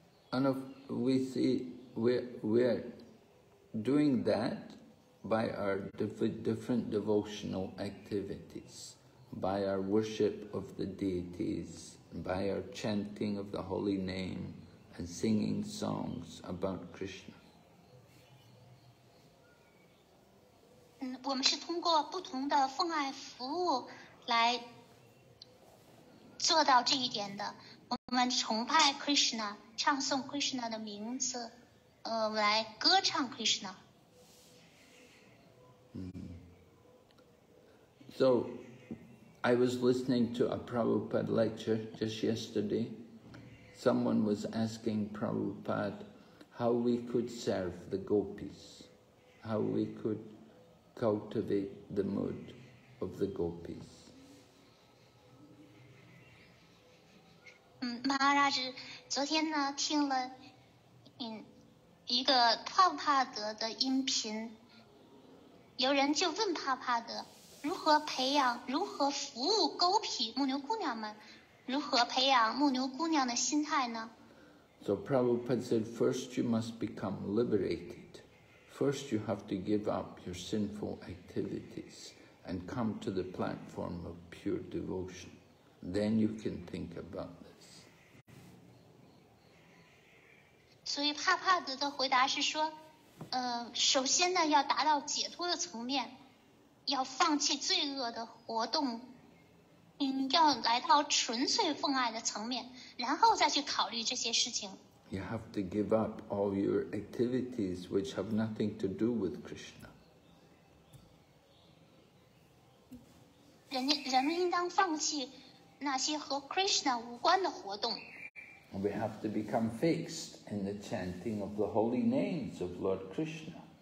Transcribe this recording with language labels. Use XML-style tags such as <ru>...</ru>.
<en>And if we see we're doing that by our different devotional activities. By our worship of the deities, by our chanting of the holy name, and singing songs about Krishna.</en> <zh>我们是通过不同的奉爱服务来做到这一点的。我们崇拜 Krishna, 唱诵 Krishna 的名字，来歌唱 Krishna.</zh> <en>So. I was listening to a Prabhupada lecture just yesterday. Someone was asking Prabhupada how we could serve the gopis, how we could cultivate the mood of the gopis.</en> <zh>Maharaj, 昨天呢听了一个帕帕德的音频，有人就问帕帕德如何培养、如何服务勾皮牧牛姑娘们，如何培养牧牛姑娘的心态呢</zh> <en>？So Prabhupada said, first you must become liberated. First you have to give up your sinful activities and come to the platform of pure devotion. Then you can think about.</en> <zh>所以帕帕德的回答是说，首先呢要达到解脱的层面，要放弃罪恶的活动，要来到纯粹奉爱的层面，然后再去考虑这些事情。</zh> <en>You have to give up all your activities which have nothing to do with Krishna.</en> <zh>人们应当放弃那些和 Krishna 无关的活动。</zh> <en>We have to become fixed in the chanting of the holy names of Lord Krishna.</en>